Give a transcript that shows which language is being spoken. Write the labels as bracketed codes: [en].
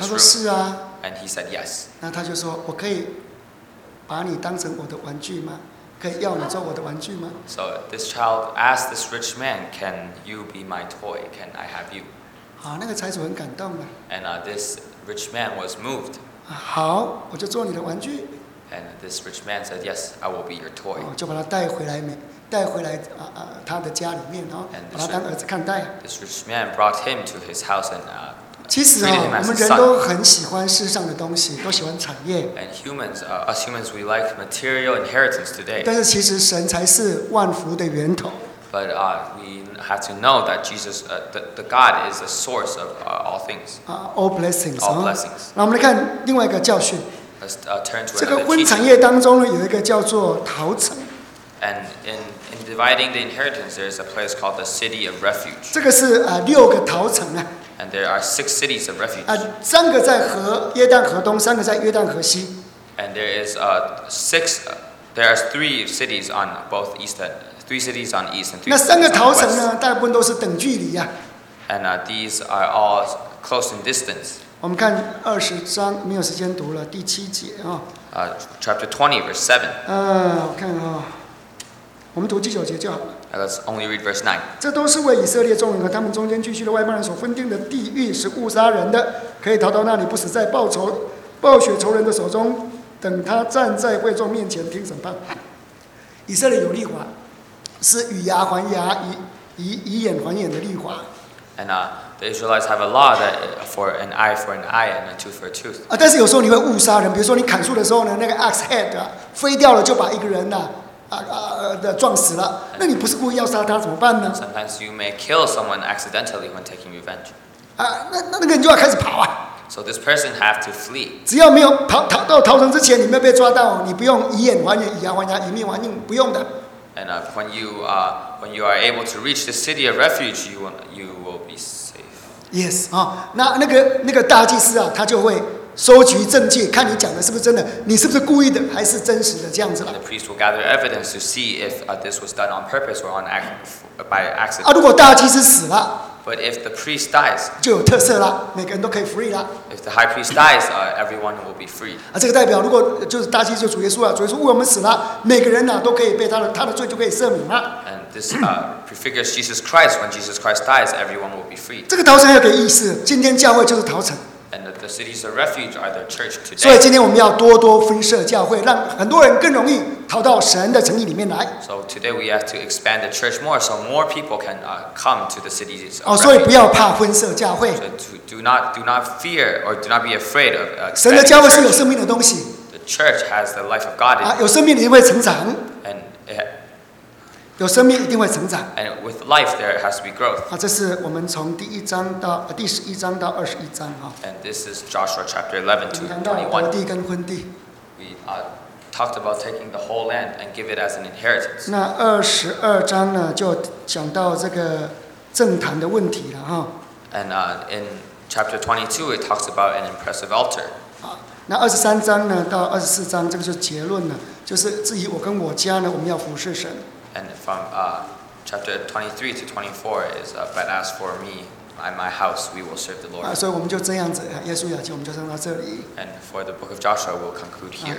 [zh] 他说是啊。 [en] And he said yes. [zh] 那他就说，我可以把你当成我的玩具吗？可以要你做我的玩具吗 [en] ？So this child asked this rich man, "Can you be my toy? Can I have you?" [zh] 好，那个财主很感动了。 [en] And this rich man was moved. [zh] 好，我就做你的玩具。 [en] And this rich man said, "Yes, I will be your toy." [zh] 就把他带回来没？带回来他的家里面哦，把他当儿子看待。 [en] This rich man brought him to his house and. [zh] 其实啊，我们人都很喜欢世上的东西，都喜欢产业。 [en] And humans, us humans, we like material inheritance today. [zh] 但是其实神才是万福的源头。 [en] But we have to know that Jesus, the God is the source of all things. All blessings. All blessings. [zh] 那我们来看另外一个教训。 [en] Let's turn to another teaching. [zh] 这个婚产业当中呢，有一个叫做逃城。 [en] And in dividing the inheritance, there is a place called the City of Refuge. [zh] 这个是六个逃城啊。 [en] And there are six cities of refuge. [zh] 三个在河约旦河东，三个在约旦河西。 [en] And there is six. There are three cities on both east and three cities on east and three. [zh] 那三个逃城呢？大部分都是等距离呀。 [en] And these are all close in distance. [zh] 我们看二十章，没有时间读了，第七节啊。 [en] Chapter 20, verse 7. [zh] 我看啊。我们读第九节就好了。 [en] Let's only read verse 9. [zh] 这都是为以色列众人和他们中间聚居的外邦人所分定的地域，是误杀人的，可以逃到那里，不死在报血仇人的手中，等他站在会众面前听审判。以色列有律法，是以牙还牙，以眼还眼的律法。 [en] And The Israelites have a law that for an eye for an eye and a tooth for a tooth. [zh] 啊，但是有时候你会误杀人，比如说你砍树的时候呢，那个 axe head 啊，飞掉了就把一个人呐、啊，啊啊的撞死了。那你不是故意要杀他怎么办呢 [en] ？Sometimes you may kill someone accidentally when taking revenge. [zh] 啊，那个人就要开始跑啊。 [en] So this person has to flee. [zh] 只要没有逃成之前，你没有被抓到，你不用以眼还眼，以牙还牙，以命还命，不用的。 [en] And when you are able to reach the city of refuge, you will be safe. [zh] Yes, 啊、哦，那个大祭司啊，他就会收集证据，看你讲的是不是真的，你是不是故意的，还是真实的这样子了。 [en] And the priest will gather evidence to see if this was done on purpose or by accident. [zh] 啊，如果大祭司死了。 [en] But if the priest dies, [zh] 就有特色了，每个人都可以 free 了。 [en] If the high priest dies, everyone will be free. [zh] 啊，这个代表如果就是大祭司主耶稣啊，主耶稣为我们死了，每个人呢、啊、都可以被他的罪就可以赦免了。 [en] And this prefigures Jesus Christ. When Jesus Christ dies, everyone will be free. [zh] 这个逃城有个意思，今天教会就是逃城。 [en] And the cities of refuge are the church today. [zh] 所以今天我们要多多分设教会，让很多人更容易逃到神的城邑里面来。 [en] So today we have to expand the church more, so more people can come to the cities of refuge. [zh] 哦，所以不要怕分设教会。 [en] So do not fear or do not be afraid of. [zh] 神的教会是有生命的东西。 [en] The church has the life of God. [zh] 啊，有生命的一定会成长。 [en] And [zh] 有生命一定会成长。 [en] And with life, there has to be growth. [zh] 啊，这是我们从第一章到第十一章到二十一章哈。 [en] And this is Joshua chapter 11 to 21. [zh] 得地跟分地。 [en] We talked about taking the whole land and give it as an inheritance. [zh] 那二十二章呢，就讲到这个政坛的问题了哈。 [en] And in chapter 22, it talks about an impressive altar. [zh] 啊，那二十三章呢，到二十四章，这个就是结论了，就是至于我跟我家呢，我们要服侍神。 [en] And from chapter 23 to 24 is, but as for me and my house, we will serve the Lord. [zh] 所以我们就这样子，耶稣雅集，我们就上到这里。 [en] And for the book of Joshua, we'll conclude here.